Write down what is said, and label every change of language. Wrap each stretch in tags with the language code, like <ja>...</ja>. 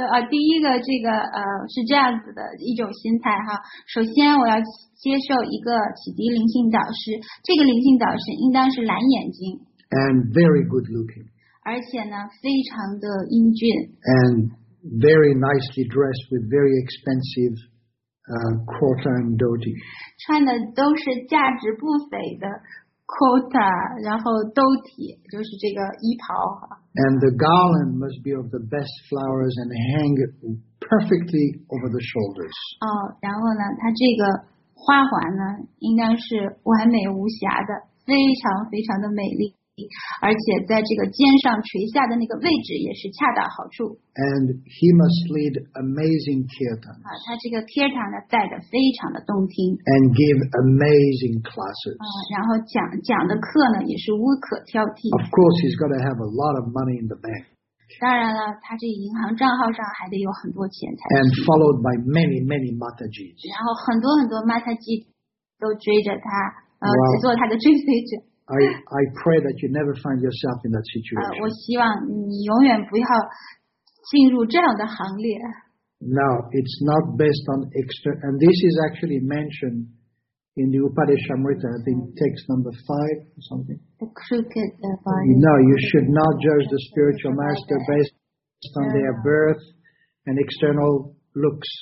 <zh>第一个这个是这样子的一种心态哈。首先我要接受一个启迪灵性导师，这个灵性导师应当是蓝眼睛。</zh> <en>And very good looking.</en> <zh>而且呢非常的英俊。</zh> <en>And very nicely dressed with very expensive quota and doti.</en> <zh>穿的都是价值不菲的 quota, 然后 doti, 就是这个衣袍。</zh> <en>And the garland must be of the best flowers and hang perfectly over the shoulders.</en> <zh>然后呢它这个花环呢应该是完美无瑕的，非常非常的美丽，而且在这个肩上垂下的那个位置也是恰到好处。</zh> <en>And he must lead amazing kirtans.</en> <zh>他这个 kirtan 呢带的非常的动听。</zh> <en>And give amazing classes.</en> <zh>然后讲的课呢也是无可挑剔。</zh> <en>Of course, he's got to have a lot of money in the bank.</en> <zh>当然了，他这银行账号上还得有很多钱才行。</zh> <en>And followed by many, many matajis.</en> <zh>然后很多很多 mataji 都追着他，只做他的追随者。</zh> <en>I pray that you never find yourself in that situation.</en> <zh>我希望你永远不要进入这样的行列。</zh> <en>Now, it's not based on external, and this is actually mentioned in the Upadeshamrita, I think text number 5 or something. The crooked body. No, you should not judge the spiritual master based on their birth and external looks.</en>